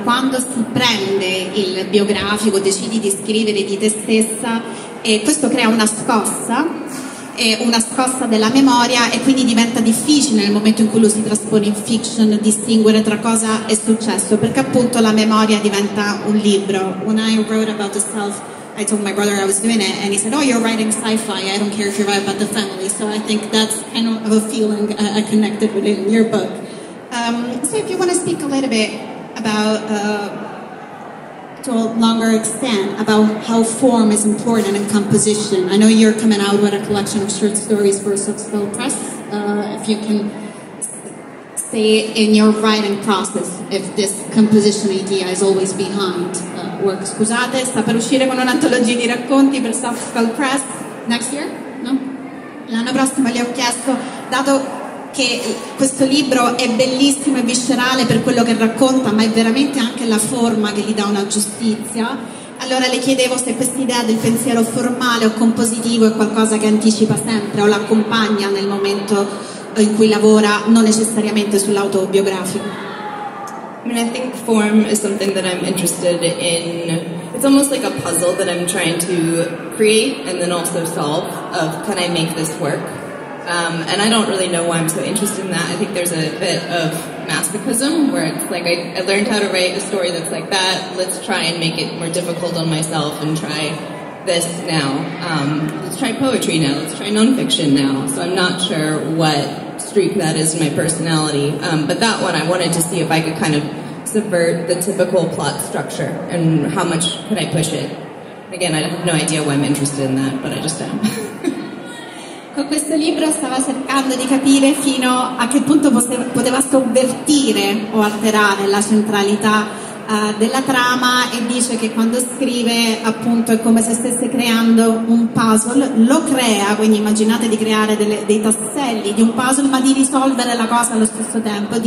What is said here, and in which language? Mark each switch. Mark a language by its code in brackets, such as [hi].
[it] Quando si prende il biografico, decidi di scrivere di te stessa, e questo crea una scossa, è una scossa della memoria, e quindi diventa difficile nel momento in cui lo si traspone in fiction distinguere tra cosa è successo, perché appunto la memoria diventa un libro. [en] When I wrote about the self, I told my brother I was doing it, and he said, "Oh, you're writing sci-fi. I don't care if you write about the family." So I think that's kind of a feeling I connected with in your book. So if you want to speak a little bit about, to a longer extent, about how form is important in composition. I know you're coming out with a collection of short stories for Sotsville Press. If you can say in your writing process if this composition idea is always behind work. [it] Scusate, sta per uscire con un'antologia di racconti per Sotsville Press next year? No? L'anno prossimo gli ho chiesto, dato che questo libro è bellissimo e viscerale per quello che racconta, ma è veramente anche la forma che gli dà una giustizia. Allora le chiedevo se questa idea del pensiero formale o compositivo è qualcosa che anticipa sempre o l'accompagna nel momento in cui lavora, non necessariamente sull'autobiografico. [en] I mean, I think form is something that I'm interested in. It's almost like a puzzle that I'm trying to create and then also solve of, can I make this work? And I don't really know why I'm so interested in that. I think there's a bit of masochism where it's like I learned how to write a story that's like that. Let's try and make it more difficult on myself and try this now. Let's try poetry now. Let's try nonfiction now. So I'm not sure what streak that is in my personality. But that one, I wanted to see if I could kind of subvert the typical plot structure and how much could I push it. Again, I have no idea why I'm interested in that, but I just am. [it] Con questo libro stava cercando di capire fino a che punto poteva sovvertire o alterare la centralità della trama, e dice che quando scrive appunto è come se stesse creando un puzzle, lo crea, quindi immaginate di creare dei tasselli di un puzzle ma di risolvere la cosa allo stesso tempo.